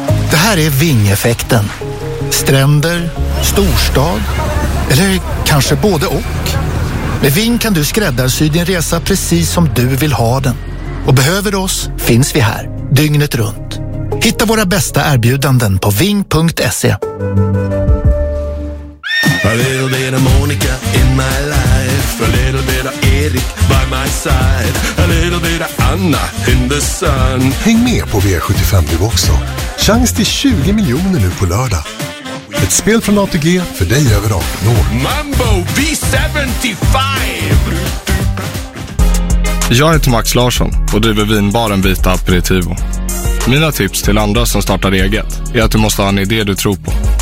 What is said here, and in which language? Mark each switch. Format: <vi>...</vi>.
<sv>Det här är Vingeffekten. Stränder, storstad eller kanske både och. Med Ving kan du skräddarsy din resa precis som du vill ha den. Och behöver du oss finns vi här, dygnet runt. Hitta våra bästa erbjudanden på ving.se.</sv> <en>A little bit of Monica in my life, a little bit of Erik by my side, a little bit of Anna in the sun.</en> <sv>Häng med på V75 nu också. Chans till 20 miljoner nu på lördag. Ett spel från ATG för dig över 18 år. Mambo V75! Jag heter Max Larsson och driver vinbaren Vita Aperitivo. Mina tips till andra som startar eget är att du måste ha en idé du tror på.</sv>